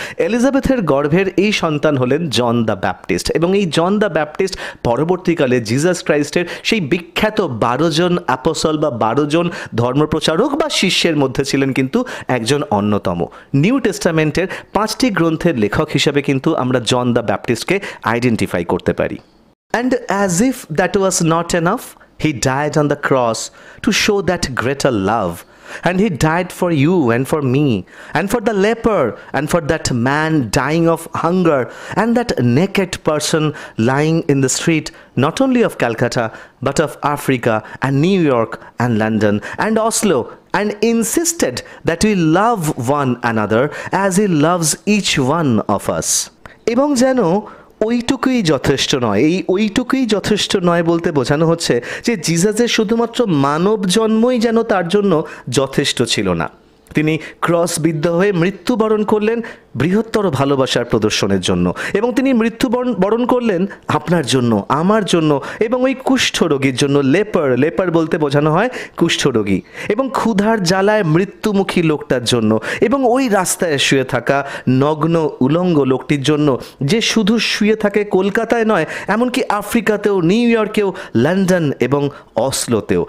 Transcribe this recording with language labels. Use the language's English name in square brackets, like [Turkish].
[Bangla] এলিজাবেথের গর্ভের এই সন্তান হলেন জন দ্য ব্যাপটিস্ট, এবং এই জন দ্য ব্যাপটিস্ট পরবর্তীকালে জিজাস ক্রাইস্টের সেই বিখ্যাত ১২ জন অ্যাপোসল বা ১২ জন ধর্মপ্রচারক বা শিষ্যের মধ্যে ছিলেন কিন্তু একজন অন্যতম। নিউ টেস্টামেন্টের 5টি গ্রন্থের লেখক হিসাবে কিন্তু আমরা জন দ্য ব্যাপটিস্টকে আইডেন্টিফাই করতে পারি। [English] And as if that was not enough, he died on the cross to show that greater love. And he died for you and for me and for the leper and for that man dying of hunger and that naked person lying in the street, not only of Calcutta, but of Africa and New York and London and Oslo, and insisted that we love one another as he loves each one of us. [Bangla] এবং যেন ওইটুকুই যথেষ্ট নয়, এই ওইটুকুই যথেষ্ট নয় বলতে বোঝানো হচ্ছে যে জিজাসের শুধুমাত্র মানব জন্মই যেন তার জন্য যথেষ্ট ছিল না, তিনি ক্রসবিদ্ধ হয়ে মৃত্যুবরণ করলেন বৃহত্তর ভালোবাসার প্রদর্শনের জন্য, এবং তিনি মৃত্যুবরণ করলেন আপনার জন্য, আমার জন্য, এবং ওই কুষ্ঠরোগীর জন্য, লেপার, লেপার বলতে বোঝানো হয় কুষ্ঠরোগী, এবং ক্ষুধার জ্বালায় মৃত্যুমুখী লোকটার জন্য, এবং ওই রাস্তায় শুয়ে থাকা নগ্ন উলঙ্গ লোকটির জন্য যে শুধু শুয়ে থাকে কলকাতায় নয়, এমনকি আফ্রিকাতেও, নিউ ইয়র্কেও, লন্ডন এবং অসলোতেও।